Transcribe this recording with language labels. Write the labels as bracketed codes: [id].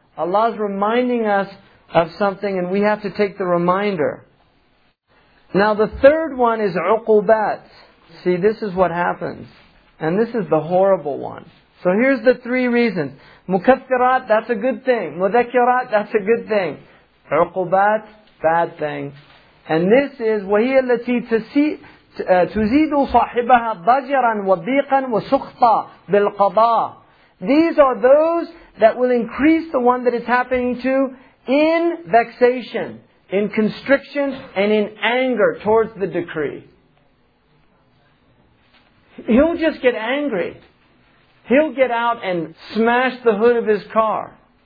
[en] Allah is reminding us of something, and we have to take the reminder. Now the third one is uqubat. See, this is what happens. And this is the horrible one. So here's the three reasons. Mukaffirat, that's a good thing. Mudhakkirat, that's a good thing. Uqubat, bad thing. And this is [ar] وَهِيَ الَّتِي تُزِيدُ صَاحِبَهَا ضَجِرًا وَضِيقًا وَسُخْطًا بِالْقَضَاءِ. [en] These are those that will increase the one that it's happening to in vexation, in constriction, and in anger towards the decree. He'll just get angry. He'll get out and smash the hood of his car.